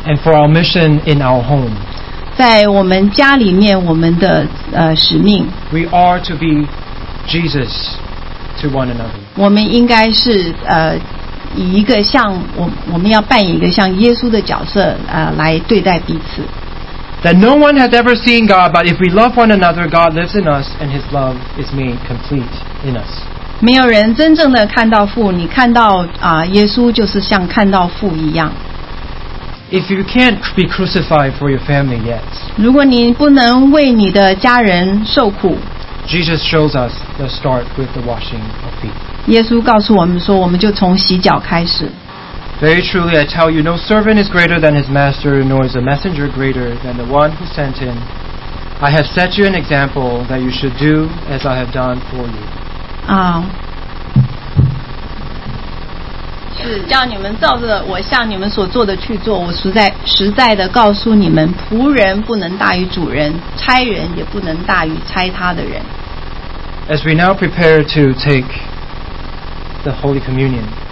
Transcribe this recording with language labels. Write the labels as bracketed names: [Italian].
[English] And for our mission in our home. [Chinese] 在我们家里面，我们的使命。 [English] We are to be Jesus to one another. [Chinese] 我们应该是以一个像我们要扮演一个像耶稣的角色来对待彼此。 [English] That no one has ever seen God, but if we love one another, God lives in us, and His love is made complete in us. [Chinese] 没有人真正的看到父，你看到耶稣就是像看到父一样。 [English] If you can't be crucified for your family yet, [Chinese] 如果你不能为你的家人受苦 [English] Jesus shows us the start with the washing of feet. [Chinese] 耶稣告诉我们说，我们就从洗脚开始。 [English] Very truly I tell you, no servant is greater than his master, nor is a messenger greater than the one who sent him. I have set you an example that you should do as I have done for you. [Chinese] 是叫你们照着我向你们所做的去做，我实在实在的告诉你们，仆人不能大于主人，差人也不能大于差他的人。 [English] As we now prepare to take the Holy Communion,